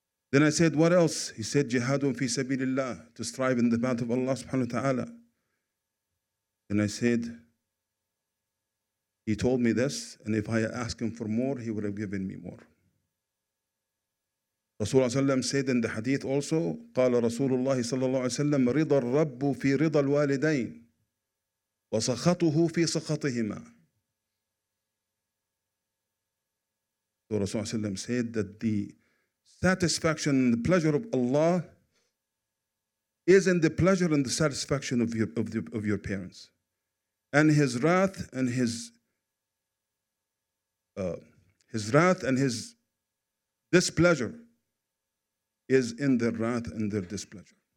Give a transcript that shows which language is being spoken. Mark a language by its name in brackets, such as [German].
[English] Then I said, what else? He said, [Arabic] Jihadun fi sabilillah, [English] to strive in the path of Allah subhanahu wa ta'ala. Then I said, he told me this, and if I asked him for more, he would have given me more. Rasulullah sallam said in the hadith also, [Arabic] قال رسول الله صلى الله عليه وسلم رضا الرب في رضا الوالدين وسخطه في سخطهما. [English] So Rasulullah sallam said that the satisfaction and the pleasure of Allah is in the pleasure and the satisfaction of your parents, and His wrath and His displeasure is in their wrath and their displeasure.